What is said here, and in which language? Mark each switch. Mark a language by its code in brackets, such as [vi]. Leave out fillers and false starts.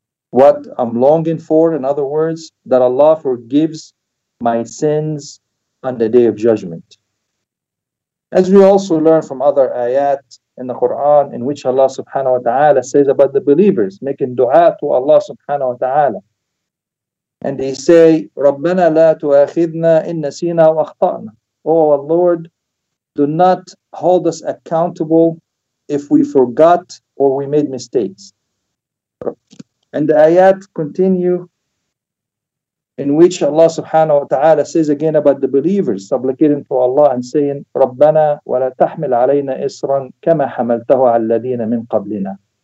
[en] What I'm longing for, in other words, that Allah forgives my sins on the Day of Judgment. As we also learn from other ayat in the Quran, in which Allah subhanahu wa ta'ala says about the believers making dua to Allah subhanahu wa ta'ala. And they say, [ar] رَبَّنَا لَا تُؤَخِذْنَا إِن نَسِيْنَا وَأَخْطَأْنَا. [en] Oh Lord, do not hold us accountable if we forgot or we made mistakes. And the ayat continue, in which Allah subhanahu wa ta'ala says again about the believers supplicating to Allah and saying, [ar] رَبَّنَا وَلَا تَحْمِلْ عَلَيْنَا إِسْرًا كَمَا حَمَلْتَهُ عَلَى الَّذِينَ مِنْ قَبْلِنَا.